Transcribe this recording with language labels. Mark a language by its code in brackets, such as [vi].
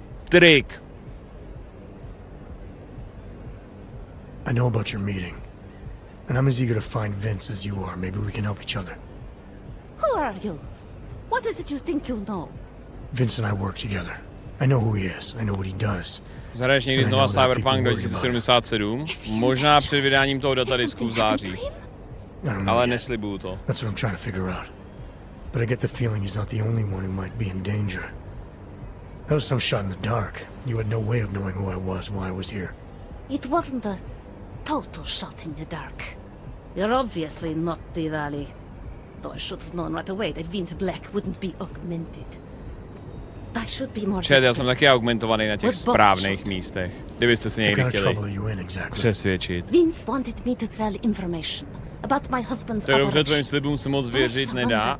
[en] Trick. I know about your meeting. And I'm as eager to find Vince as you are. Maybe we can help each other. Who are you? What is it you think you know? Vince and I work together. I know who he is. I know what he does. [cs] Zahraješ někdy znova Cyberpunk 2077? Možná před vydáním toho datadisku v září. Ale neslibuju to. [en] That's what I'm trying to figure out. But I get the feeling he's not the only one who might be in danger. That was some shot in the dark. You had no way of knowing who I was, why I was here. It wasn't the... Total shot in the dark. You're obviously not Diwali. Though I should have known right away that Vince Black wouldn't be augmented. I should be more [cs] distant. Chad, já jsem taky augmentovaný na těch správných místech. Kdybyste se někdy chtěli přesvědčit. [en] Vince wanted me to tell information about my husband's operation. [cs] To je dobře, tvojím slibům se moc věřit nedá.